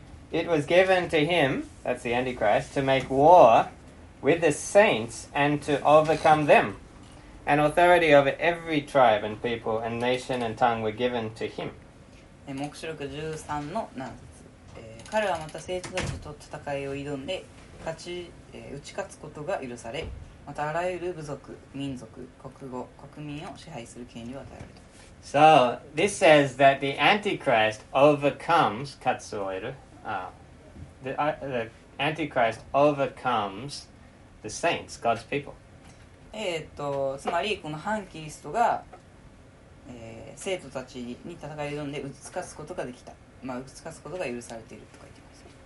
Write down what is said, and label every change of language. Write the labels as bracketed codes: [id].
[en] It was given to him, that's the Antichrist, to make war with the saints and to overcome them. And authority over every tribe and people and nation and tongue were given to him. [ja] 黙示録13の7節、彼はまた聖徒たちと戦いを挑んで勝ち、打ち勝つことが許され、またあらゆる部族、民族、国語、国民を支配する権利を与えられた。 [en] So, this says that the Antichrist overcomes Katsuoeru. The Antichrist overcomes the saints, God's people. [ja] つまり、この反キリストが、生徒たちに戦い挑んで打ち勝つことができた。まあ、打ち勝つことが許されていると書いてます。